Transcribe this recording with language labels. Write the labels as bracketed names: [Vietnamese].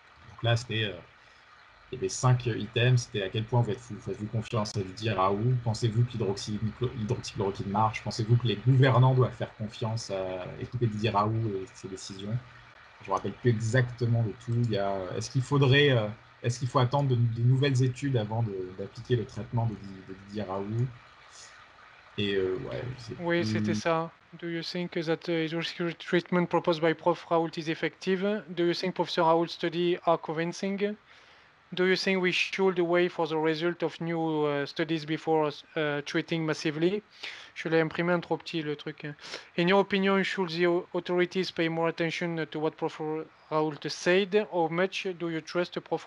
[French] Donc là, c'était il y avait 5 items, c'était à quel point vous faites confiance à Didier Raoult, pensez-vous que l'hydroxychloroquine marche, pensez-vous que les gouvernants doivent faire confiance à écouter Didier Raoult et ses décisions. Je ne me rappelle plus exactement de tout. Est-ce qu'il faut attendre de nouvelles études avant d'appliquer le traitement de Didier Raoult? Et c'était ça. [English] Do you think that hydroxychloroquine treatment proposed by Prof. Raoult is effective? Do you think Professor Raoult's study are convincing? Do you think we should wait for the result of new studies before treating massively? [French] Je l'ai imprimé en trop petit, le truc. [English] In your opinion, should the authorities pay more attention to what Prof. Raoult said? How much do you trust Prof.